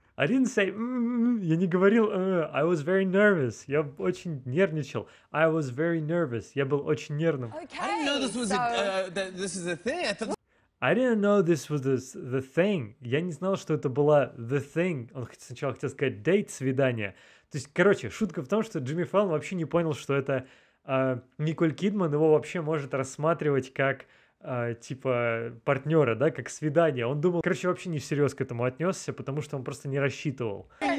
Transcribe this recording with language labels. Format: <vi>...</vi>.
<en>I didn't say,</en> <ru>я не говорил,</ru> <en>I was very nervous,</en> <ru>я очень нервничал.</ru> <en>I was very nervous,</en> <ru>я был очень нервным.</ru> <en>Okay, I didn't know this was this is a thing. I didn't know this was the thing.</en> <ru>Я не знал, что это была</ru> <en>the thing.</en> <ru>Он сначала хотел сказать date, свидание. То есть, короче, шутка в том, что Джимми Фэллон вообще не понял, что это Николь Кидман его вообще может рассматривать как... типа партнера, да, как свидание. Он думал, короче, вообще не всерьез к этому отнесся, потому что он просто не рассчитывал.</ru>